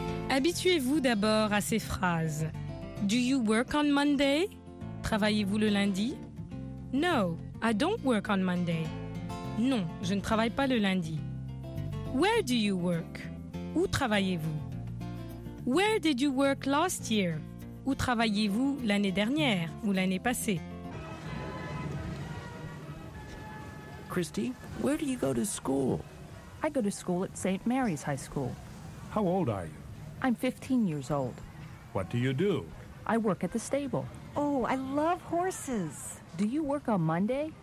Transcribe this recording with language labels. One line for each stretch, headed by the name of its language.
French: Habituez-vous d'abord à ces phrases. «
English: Do you work on Monday ?»«
French: Travaillez-vous le lundi ?»«
English: No, I don't work on Monday.
French: » »« Non, je ne travaille pas le lundi. »
English: Where do you work?
French: Où travaillez-vous?
English: Where did you work last year?
French: Où travaillez-vous l'année dernière ou l'année passée?
English: Christy, where do you go to school? I go to school at St. Mary's High School. How old are you? I'm 15 years old. What do you do? I work at the stable. Oh, I love horses. Do you work on Monday?